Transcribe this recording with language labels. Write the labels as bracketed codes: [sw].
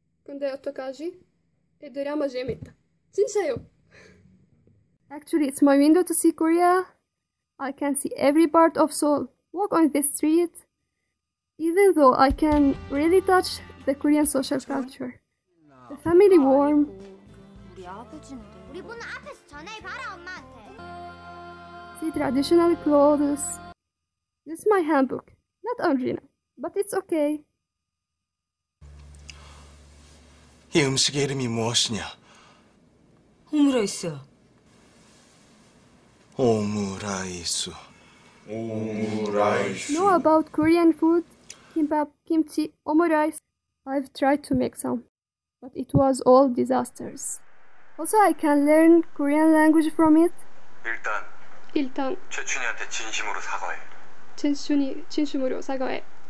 [ko] 근데 어떡하지? 드라마 재밌다. 진짜요? [en] Actually, it's my window to see Korea. I can see every part of Seoul. Walk on this street. Even though I can really touch the Korean social culture. The family warm. [ko] 우리 아버지인데. 우리 문 앞에서 전화해 봐라 엄마한테. [en] See traditional clothes. This is my handbook. Not Andrina, but it's okay. [ko] 이 음식의 이름이 무엇이냐? 오므라이스. 오므라이스. 오므라이스. [en] Know about Korean food? Kimbap, kimchi, omurice. I've tried to make some, but it was all disasters. Also, I can learn Korean language from it. [ko] 일단. 최춘이한테 진심으로 사과해. 진순이 진심으로 사과해.